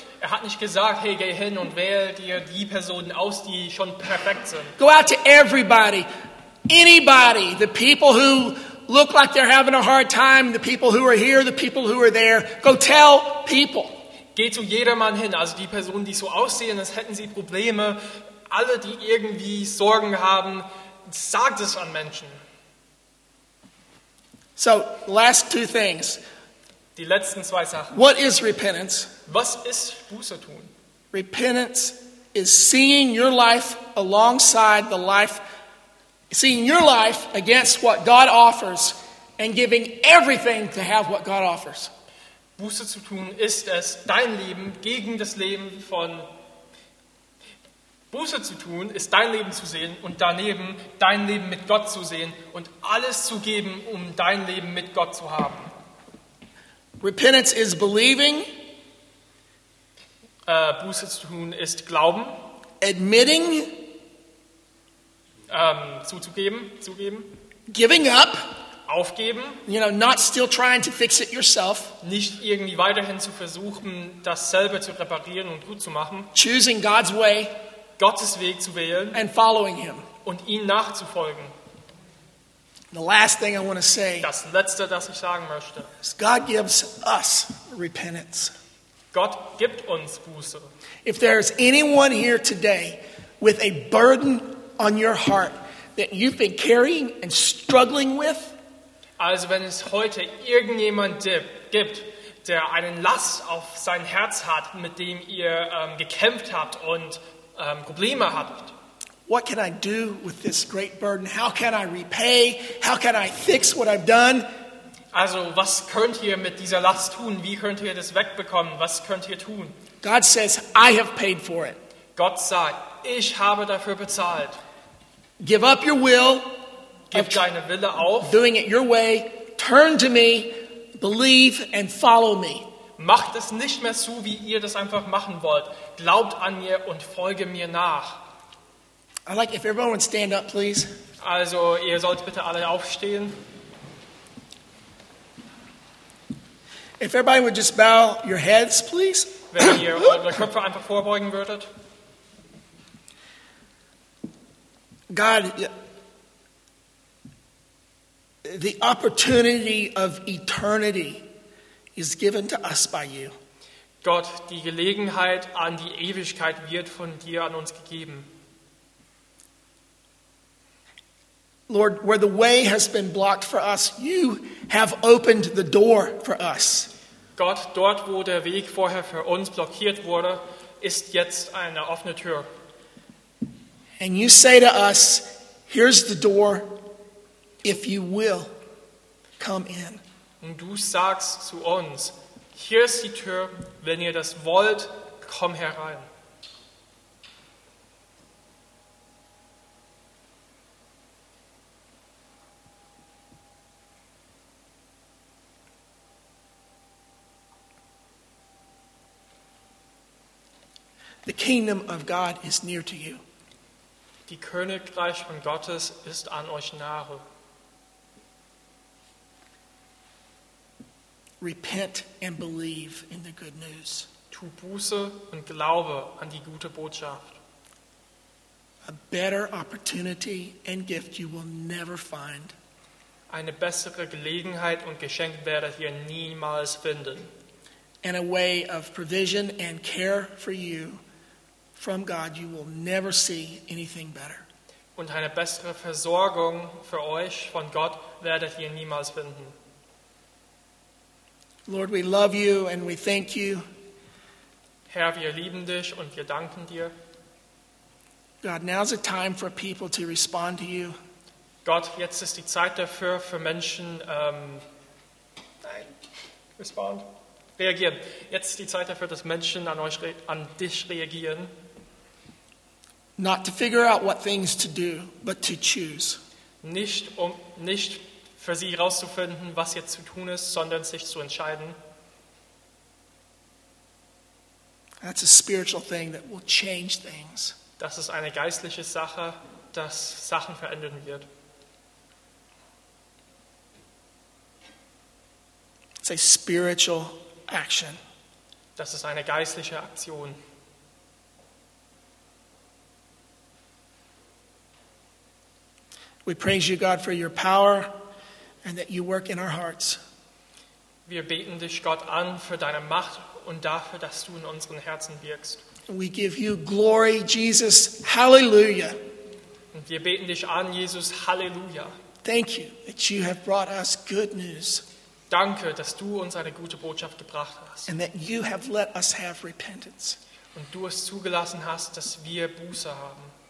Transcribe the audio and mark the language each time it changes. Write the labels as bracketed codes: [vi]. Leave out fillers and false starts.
[de] hat nicht gesagt, hey, geh hin und wähl dir die Personen aus, die schon perfekt sind. [en] Go out to everybody, anybody, the people who look like they're having a hard time, the people who are here, the people who are there, go tell people. [de] Geh zu jedermann hin, also die Personen, die so aussehen, als hätten sie Probleme, alle, die irgendwie Sorgen haben, sagt es an Menschen. [en] So, last two things. [de] Die letzten zwei Sachen. [en] What is repentance? [de] Was ist Buße tun? [en] Repentance is seeing your life alongside the life, seeing your life against what God offers and giving everything to have what God offers. [de] Buße zu tun ist es, dein Leben gegen das Leben von Buße zu tun ist dein Leben zu sehen und daneben dein Leben mit Gott zu sehen und alles zu geben, um dein Leben mit Gott zu haben. [en] Repentance is believing. [de] Buße zu tun ist glauben. [en] Admitting. [de] Zugeben. [en] Giving up. [de] Aufgeben, [en] you know, not still trying to fix it yourself. [de] Nicht irgendwie weiterhin zu versuchen, dasselbe zu reparieren und gut zu machen. [en] Choosing God's way, [de] Gottes Weg zu wählen, [en] and following Him, [de] und ihm nachzufolgen. [en] The last thing I want to say, [de] das Letzte, das ich sagen möchte, [en] is God gives us repentance. [de] Gott gibt uns Buße. [en] If there is anyone here today with a burden on your heart that you've been carrying and struggling with. [de] Also wenn es heute irgendjemand gibt, der einen Last auf sein Herz hat, mit dem ihr gekämpft habt und Probleme habt. [en] What can I do with this great burden? How can I repay? How can I fix what I've done? [de] Also was könnt ihr mit dieser Last tun? Wie könnt ihr das wegbekommen? Was könnt ihr tun? [en] God says, I have paid for it. [de] Gott sagt, ich habe dafür bezahlt. [en] Give up your will. [de] Gib deine Wille auf. [en] Doing it your way, turn to me, believe and follow me. [de] Macht es nicht mehr so, wie ihr das einfach machen wollt. Glaubt an mir und folge mir nach. [en] I'd like if everyone would stand up, please. [de] Also, ihr sollt bitte alle aufstehen. [en] If everybody would just bow your heads, please. [de] Wenn ihr eure Köpfe einfach vorbeugen würdet. [en] God, the opportunity of eternity is given to us by you. [de] Gott, die Gelegenheit an die Ewigkeit wird von dir an uns gegeben. [en] Lord, where the way has been blocked for us, you have opened the door for us. [de] Gott, dort wo der Weg vorher für uns blockiert wurde, ist jetzt eine offene Tür. [en] And you say to us, here's the door. If you will, come in. [de] Und du sagst zu uns, hier ist die Tür, wenn ihr das wollt, komm herein. [en] The kingdom of God is near to you. [de] Die Königreich von Gottes ist an euch nahe. [en] Repent and believe in the good news. [de] Tu Buße und glaube an die gute Botschaft. [en] A better opportunity and gift you will never find. [de] Eine bessere Gelegenheit und Geschenk werdet ihr niemals finden. [en] And a way of provision and care for you from God, you will never see anything better. [de] Und eine bessere Versorgung für euch von Gott werdet ihr niemals finden. [en] Lord, we love you and we thank you. [de] Herr, wir lieben dich und wir danken dir. [en] God, now's the time for people to respond to you. [de] Gott, jetzt ist die Zeit dafür, für Menschen reagieren. Jetzt ist die Zeit dafür, dass Menschen an euch, an dich reagieren. [en] Not to figure out what things to do, but to choose. [de] Nicht für sie herauszufinden, was jetzt zu tun ist, sondern sich zu entscheiden. [en] That's a spiritual thing that will change things. [de] Das ist eine geistliche Sache, das Sachen verändern wird. [en] It's a spiritual action. [de] Das ist eine geistliche Aktion. [en] We praise you, God, for your power and that you work in our hearts. [de] Wir beten dich, Gott, an für deine Macht und dafür, dass du in unseren Herzen wirkst. [en] We give you glory, Jesus. Hallelujah. [de] Und wir beten dich an, Jesus. Hallelujah. [en] Thank you that you have brought us good news. [de] Danke, dass du uns eine gute Botschaft gebracht hast. [en] And that you have let us have repentance. [de] Und du es zugelassen hast, dass wir Buße haben.